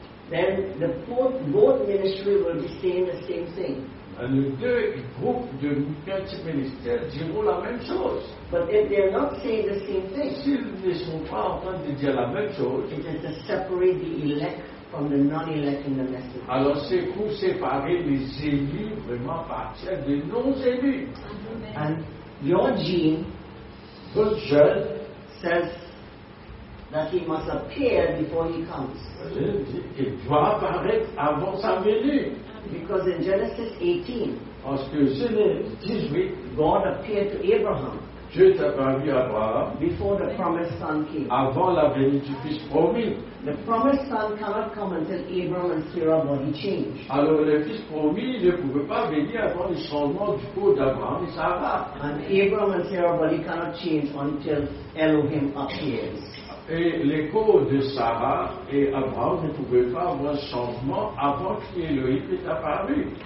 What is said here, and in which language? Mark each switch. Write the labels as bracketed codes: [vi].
[en] then the both ministry will be saying the same thing. [fr] Les deux groupes de ministères diront la même chose. [en] But if they are not saying the same thing, [fr] s'ils ne sont pas en train de dire la même chose, [en] it is to separate the elect from the non-elect in the message. [fr] Alors c'est pour séparer les élus vraiment partir des non-élus. [en] And your gene, [fr] votre gène, [en] says that he must appear before he comes. [fr] Il doit apparaître avant sa venue. [en] Because in Genesis 18, [fr] parce que Genèse 18, [en] God appeared to Abraham, [fr] Dieu t'a paru à Abraham [en] before the promised son came. [fr] Avant la venue du fils promis. [en] The promised son cannot come until Abraham and Sarah body change. [fr] Alors le fils promis ne pouvait pas venir avant le changement du corps d'Abraham et Sarah. [en] And Abraham and Sarah body cannot change until Elohim appears. [fr] Et l'écho de Sarah et Abraham ne pouvait pas avoir un changement avant qu'Élohim est apparu.